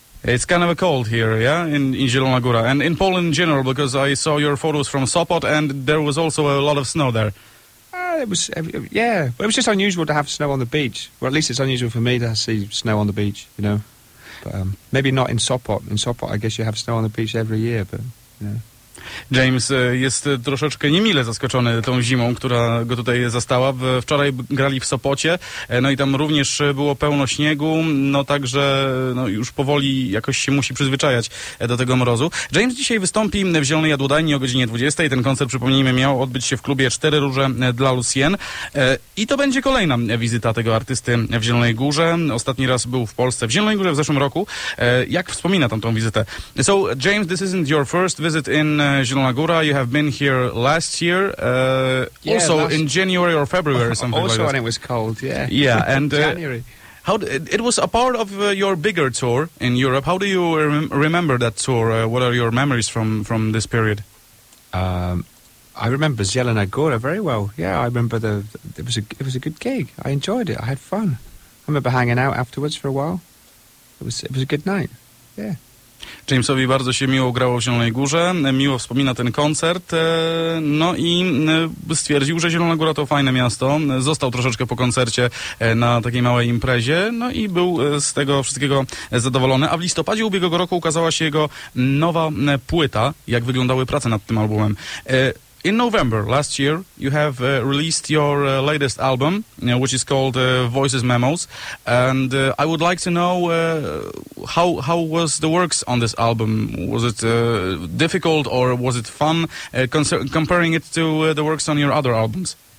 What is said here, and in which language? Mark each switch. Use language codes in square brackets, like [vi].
[en] It's kind of a cold here, yeah, in Zielona Góra. And in Poland in general, because I saw your photos from Sopot, and there was also a lot of snow there. It was just unusual to have snow on the beach. Well, at least it's unusual for me to see snow on the beach, you know. But maybe not in Sopot. In Sopot, I guess you have snow on the beach every year, but, you know. [pl] James jest troszeczkę niemile zaskoczony tą zimą, która go tutaj zastała. Wczoraj grali w Sopocie, no i tam również było pełno śniegu, no także no już powoli jakoś się musi przyzwyczajać do tego mrozu. James dzisiaj wystąpi w Zielonej Jadłodajni o godzinie 20. Ten koncert, przypomnijmy, miał odbyć się w klubie Cztery Róże dla Lucien. I to będzie kolejna wizyta tego artysty w Zielonej Górze. Ostatni raz był w Polsce w Zielonej Górze w zeszłym roku. Jak wspomina tamtą wizytę? [en] So, James, this isn't your first visit in Zielona Góra. You have been here last year, also in January or February or something also like that. Also when it was cold, yeah. Yeah, and January. It was a part of your bigger tour in Europe. How do you remember that tour? What are your memories from this period? I remember Zielona Góra very well. Yeah, I remember it was a good gig. I enjoyed it. I had fun. I remember hanging out afterwards for a while. It was a good night. Yeah. [pl] Jamesowi bardzo się miło grało w Zielonej Górze, miło wspomina ten koncert, no i stwierdził, że Zielona Góra to fajne miasto, został troszeczkę po koncercie na takiej małej imprezie, no i był z tego wszystkiego zadowolony. A w listopadzie ubiegłego roku ukazała się jego nowa płyta. Jak wyglądały prace nad tym albumem? [en] In November last year, you have released your latest album, which is called Voices Memos, and I would like to know how was the works on this album? Was it difficult or was it fun? Comparing it to the works on your other albums.